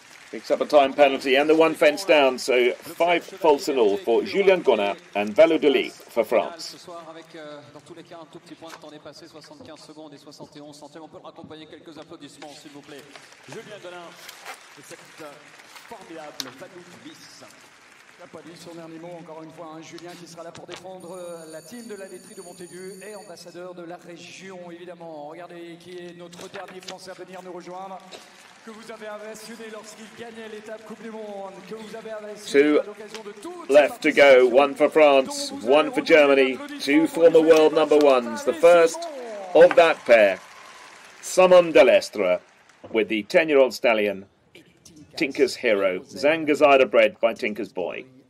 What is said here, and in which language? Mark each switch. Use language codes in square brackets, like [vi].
[en] Picks up a time penalty and the one fence down, so five faults in all for Julien Gonard and Valu Deli for France. [fr] Ce soir avec dans tous les cas un tout petit point de temps dépassé, 75 secondes et 71 centièmes. On peut raccompagner quelques applaudissements s'il vous plaît. Julien Gonard, cette formidable Valu Deli. Il n'a pas dit son dernier mot, encore une fois, hein, Julien qui sera là pour défendre la team de la laiterie de Montaigu et ambassadeur de la région, évidemment. Regardez qui est notre dernier Français à venir nous rejoindre, que vous avez impressionné lorsqu'il gagnait l'étape Coupe du Monde, que vous avez impressionné à l'occasion de tout. [en] Left to go, one for France, one for Germany, two former world number ones, the first of that pair, Simon Delestre with the 10-year-old stallion, Tinker's Hero, Zanga Zyder bred by Tinker's Boy.